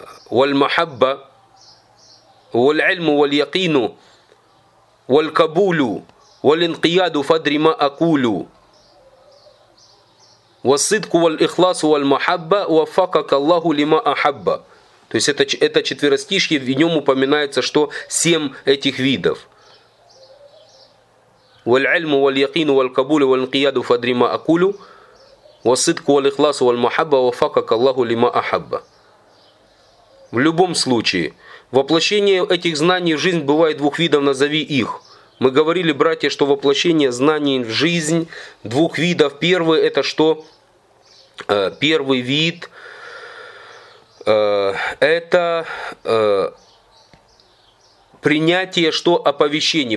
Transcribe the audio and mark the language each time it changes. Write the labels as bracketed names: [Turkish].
[Arabic] والمحبة والعلم واليقين والقبول والانقياد فدر ما أقول والصدق والإخلاص والمحبة وفقك الله لما أحب. [Russian] То есть это четверостишье, в нем упоминается, что семь этих видов. [Arabic] والعلم واليقين والقبول والانقياد فدر ما أقول والصدق والإخلاص والمحبة وفقك الله لما أحب. [Russian] В любом случае, воплощение этих знаний в жизнь бывает двух видов, назови их. Мы говорили, братья, что воплощение знаний в жизнь двух видов. Первый это что? Первый вид это принятие что? Оповещений.